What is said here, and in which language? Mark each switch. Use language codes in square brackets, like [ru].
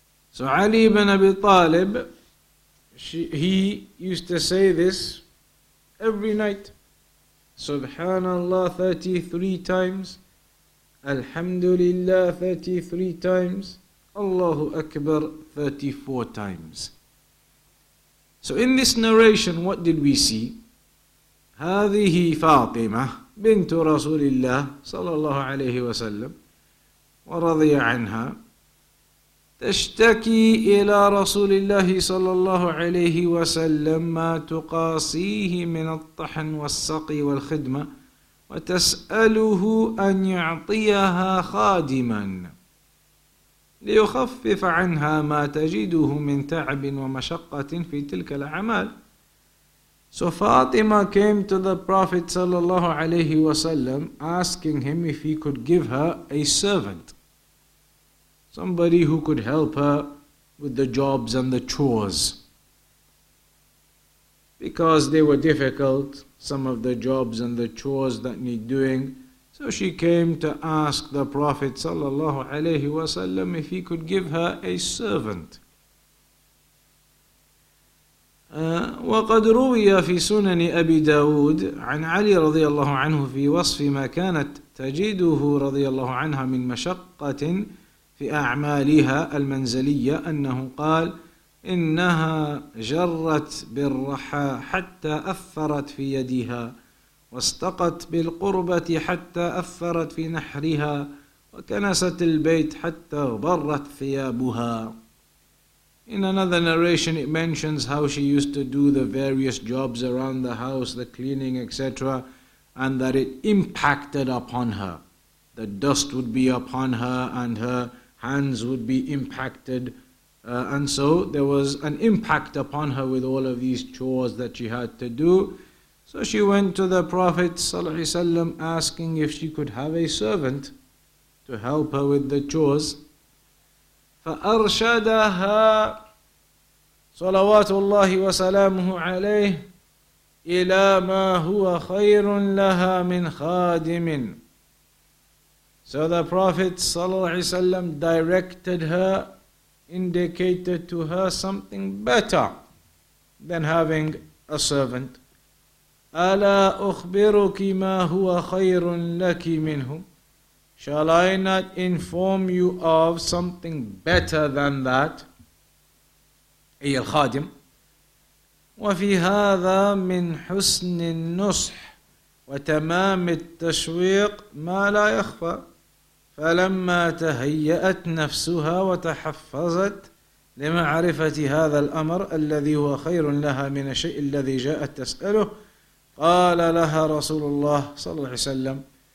[en] So Ali ibn Abi Talib, he used to say this every night. Subhanallah 33 times. Alhamdulillah 33 times. Allahu Akbar 34 times. So in this narration, what did we see? [ar] هذه فاطمة بنت رسول الله صلى الله عليه وسلم ورضي عنها تشتكي إلى رسول الله صلى الله عليه وسلم ما تقاسيه من الطحن والسقي والخدمة وتسأله أن يعطيها خادما ليخفف عنها ما تجده من تعب ومشقة في تلك الأعمال. [en] So Fatima came to the Prophet sallallahu alayhi wa sallam asking him if he could give her a servant, somebody who could help her with the jobs and the chores, because they were difficult, some of the jobs and the chores that need doing. So she came to ask the Prophet sallallahu alayhi wa sallam if he could give her a servant. [ar] وقد روي في سنن أبي داود عن علي رضي الله عنه في وصف ما كانت تجده رضي الله عنها من مشقة في أعمالها المنزلية أنه قال إنها جرت بالرحى حتى أثرت في يدها واستقت بالقربة حتى أثرت في نحرها وكنست البيت حتى غبرت ثيابها. [en] In another narration it mentions how she used to do the various jobs around the house, the cleaning, etc., and that it impacted upon her. The dust would be upon her and her hands would be impacted. And so there was an impact upon her with all of these chores that she had to do. So she went to the Prophet ﷺ asking if she could have a servant to help her with the chores. [ar] فأرشدها صلوات الله وسلامه عليه إلى ما هو خير لها من خادم. [en] So the Prophet ﷺ directed her, indicated to her something better than having a servant. [ar] ألا أخبرك ما هو خير لك منه. [en] Shall I not inform you of something better than that? [ar] أي الخادم. وفي هذا من حسن النصح وتمام التشويق ما لا يخفى. فلما تهيأت نفسها وتحفظت لمعرفة هذا الأمر الذي هو خير لها من الشيء الذي جاءت تسأله قال لها رسول الله صلى الله عليه وسلم.